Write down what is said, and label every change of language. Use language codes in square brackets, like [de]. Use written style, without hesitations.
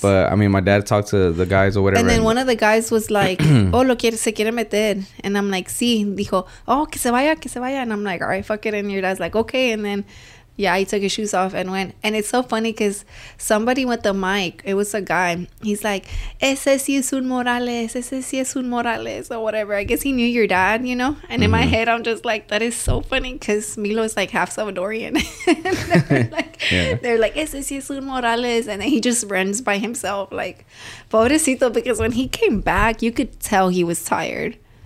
[en] But, I mean, my dad talked to the guys or whatever. And then one of the guys was like, oh, [es] lo quiere, se quiere meter. [en] And I'm like, [es] sí. Dijo, oh, que se vaya. [en] And I'm like, all right, fuck it. And your dad's like, okay. And then, yeah, he took his shoes off and went. And it's so funny because somebody with the mic, it was a guy. He's like, [es] ese sí es un Morales. Ese sí es un Morales [en] or whatever. I guess he knew your dad, you know? And mm-hmm. in my head, I'm just like, that is so funny because Milo is like half Salvadorian. And they're like, yeah. They're like, [es] ese sí es un Morales. [en] And then he just runs by himself. Like, [es] pobrecito, [en] because when he came back, you could tell he was tired.